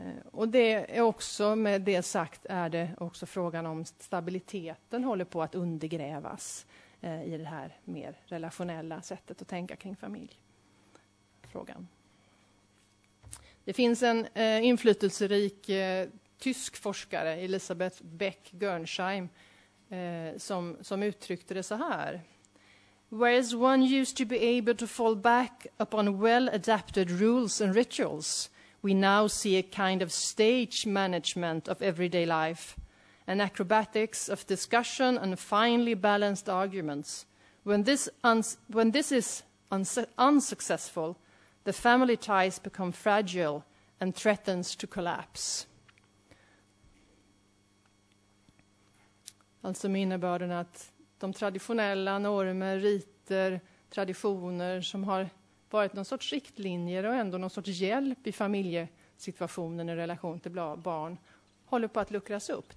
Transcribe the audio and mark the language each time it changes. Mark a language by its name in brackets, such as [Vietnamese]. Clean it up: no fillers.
[Swedish] Och det är också, med det sagt, är det också frågan om stabiliteten håller på att undergrävas i det här mer relationella sättet att tänka kring familj. Frågan. Det finns en inflytelserik tysk forskare, Elisabeth Beck-Gernsheim, som uttryckte det så här. [English] Whereas one used to be able to fall back upon well-adapted rules and rituals, we now see a kind of stage management of everyday life, an acrobatics of discussion and finely balanced arguments. When this is unsuccessful, the family ties become fragile and threatens to collapse. [Swedish] Alltså med innebörden att de traditionella normer, riter, traditioner som har varit någon sorts riktlinjer och ändå någon sorts hjälp i familjesituationen i relation till barn håller på att luckras upp.